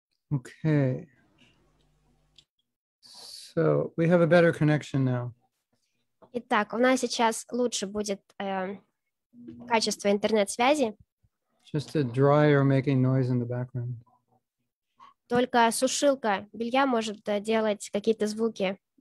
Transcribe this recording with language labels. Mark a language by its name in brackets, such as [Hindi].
[English] Okay. So we have a better connection now. [Russian] Итак, у нас сейчас лучше будет качество интернет-связи. [English] Just a dryer making noise in the background. [Russian] Только сушилка белья может делать какие-то звуки.